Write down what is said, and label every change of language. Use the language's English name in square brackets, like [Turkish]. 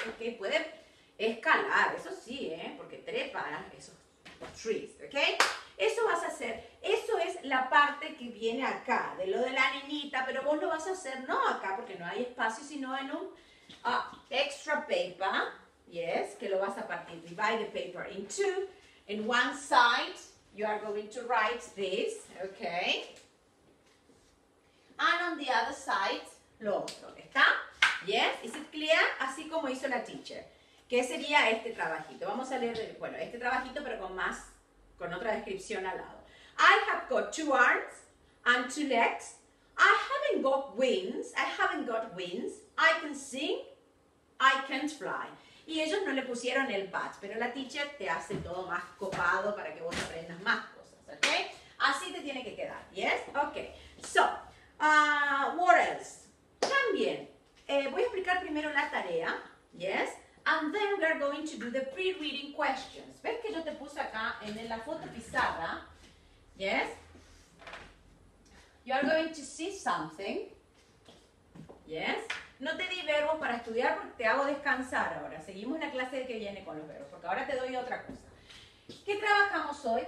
[Spanish] Okay, puede escalar, eso sí, porque trepa esos trees, okay. Eso vas a hacer, eso es la parte que viene acá, de lo de la niñita, pero vos lo vas a hacer no acá, porque no hay espacio, sino en un [English] extra paper, [Spanish] yes, que lo vas a partir. [English] Divide the paper in two. In one side, you are going to write this, okay. And on the other side, [Spanish] lo otro, ¿está? [English] Yes, is it clear? [Spanish] Así como hizo la teacher. ¿Qué sería este trabajito? Vamos a leer, bueno, este trabajito, pero con más, con otra descripción al lado. [English] I have got two arms and two legs. I haven't got wings. I haven't got wings. I can sing. I can't fly. [Spanish] Y ellos no le pusieron el but, pero la teacher te hace todo más copado para que vos aprendas más cosas, ¿ok? Así te tiene que quedar, yes? [English] Ok, so... what else? [Spanish] También, voy a explicar primero la tarea, yes? [English] And then we are going to do the pre-reading questions. [Spanish] ¿Ves que yo te puse acá en la foto pizarra? [English] Yes? You are going to see something. Yes? [Spanish] No te di verbos para estudiar porque te hago descansar ahora. Seguimos la clase que viene con los verbos porque ahora te doy otra cosa. ¿Qué trabajamos hoy?